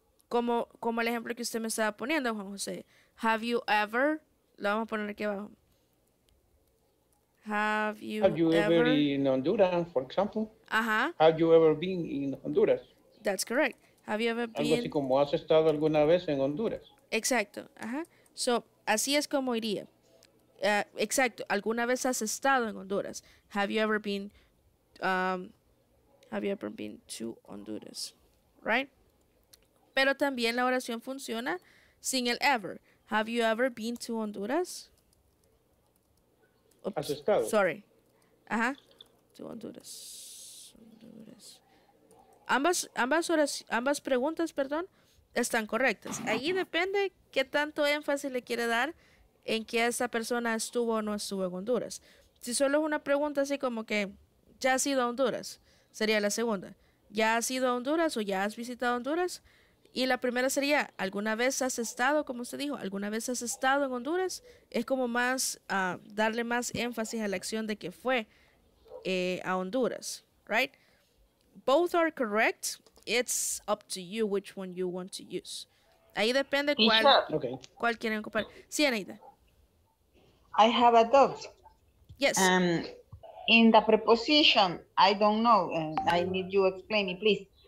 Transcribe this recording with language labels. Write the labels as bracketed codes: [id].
[es] Como el ejemplo que usted me estaba poniendo, Juan José. [en] Have you ever? [es] Lo vamos a poner aquí abajo. [en] Have you ever been in Honduras, for example? Ajá. Have you ever been in Honduras? That's correct. Have you ever been? [es] Algo así como, ¿has estado alguna vez en Honduras? Exacto. Ajá. [en] So, [es] así es como iría. Exacto. ¿Alguna vez has estado en Honduras? [en] Have you ever been to Honduras? Right? [es] Pero también la oración funciona sin el ever. [en] Have you ever been to Honduras? Oops. [es] ¿Has estado? [en] Sorry. Ajá. To Honduras. Honduras. [es] Ambas preguntas, perdón, están correctas. Ahí depende qué tanto énfasis le quiere dar en que esa persona estuvo o no estuvo en Honduras. Si solo es una pregunta así como que, ¿ya has ido a Honduras? Sería la segunda. ¿Ya has ido a Honduras o ya has visitado Honduras? Y la primera sería, ¿alguna vez has estado, como usted dijo, alguna vez has estado en Honduras? Es como más, darle más énfasis a la acción de que fue a Honduras, [en] right? Both are correct. It's up to you which one you want to use. [es] Ahí depende cuál, okay, cuál quieren ocupar. Sí, Anita. [en] I have a doubt. Yes. In the preposition, I don't know, I need you explain it, please.